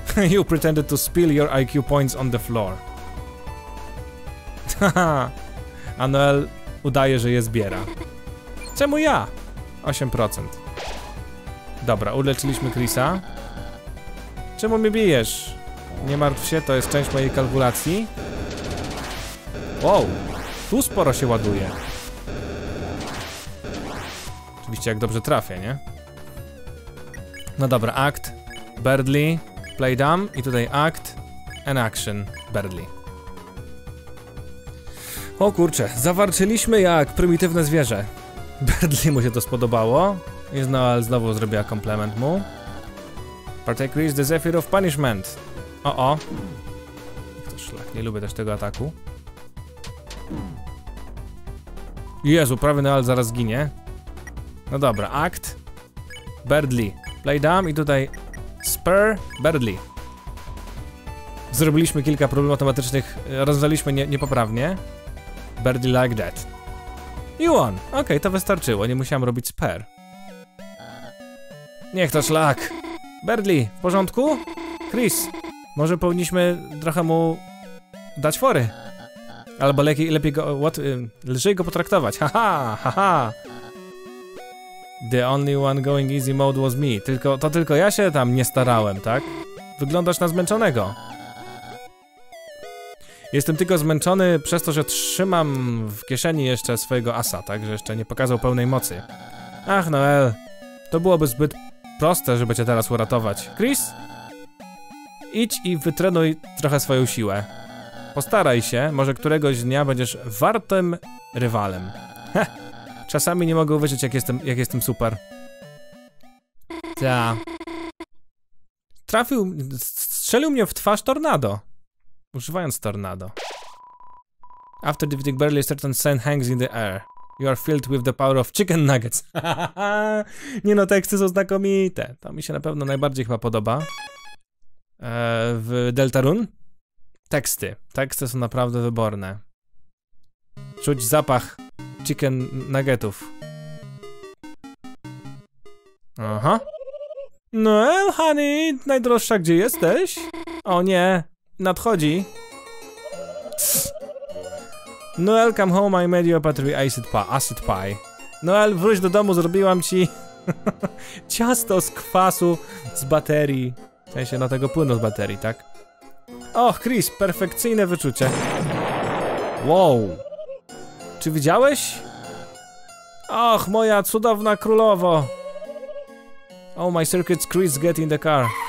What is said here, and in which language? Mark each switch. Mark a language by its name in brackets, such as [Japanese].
[English] You pretended to spill your IQ points on the floor. Haha. [Polish] A Noel udaje, że je zbiera. Czemu ja? 8%. Dobra, uleczyliśmy Chrisa. Czemu mnie bijesz? Nie martw się, to jest część mojej kalkulacji. Wow, tu sporo się ładuje. Oczywiście jak dobrze trafię, nie? No dobra, act, birdly, [English] play dumb [Polish] i tutaj act, an action, birdly. O kurcze, zawarczyliśmy jak prymitywne zwierzę. Birdly mu się to spodobało. I znowu zrobiła komplement mu. [English] Partake the Zephyr of Punishment. O-o. [Polish] To szlak, nie lubię też tego ataku. Jezu, prawy Noel zaraz ginie. No dobra, act. Birdly. Play down i tutaj spur Birdly. Zrobiliśmy kilka problemów automatycznych, rozwaliliśmy niepoprawnie. [English] Birdly like that. You won. [Polish] Okej, to wystarczyło, nie musiałem robić spare. Niech to szlak. Birdly, w porządku? Chris, może powinniśmy trochę mu dać fory. Albo lepiej go, lżej go potraktować. Haha, haha. [English] The only one going easy mode was me. [Polish] Tylko ja się tam nie starałem, tak? Wyglądasz na zmęczonego. Jestem tylko zmęczony przez to, że trzymam w kieszeni jeszcze swojego asa, tak? Że jeszcze nie pokazał pełnej mocy. Ach, Noel. To byłoby zbyt proste, żeby cię teraz uratować. Chris? Idź i wytrenuj trochę swoją siłę. Postaraj się, może któregoś dnia będziesz wartym rywalem. Heh. Czasami nie mogę uwierzyć, jak jestem super. Ta. Trafił... Strzelił mnie w twarz tornado. Używając tornado. [English] After defeating Berly, certain scent hangs in the air. You are filled with the power of chicken nuggets. [Polish] Nie no, teksty są znakomite. To mi się na pewno najbardziej chyba podoba. W Deltarune? Teksty. Teksty są naprawdę wyborne. Czuć zapach chicken nuggetów. Aha. Noel, [English] honey, [Polish] najdroższa, gdzie jesteś? O nie. Nadchodzi. [English] Noel, come home, I made you a patry acid pie. [Polish] Noel, wróć do domu, zrobiłam ci Ciasto z kwasu, z baterii. W sensie, no tego płynu z baterii, tak? Och, Chris, perfekcyjne wyczucie. Wow. Czy widziałeś? Och, moja cudowna królowo. [English] Oh, my circuits, Chris, get in the car.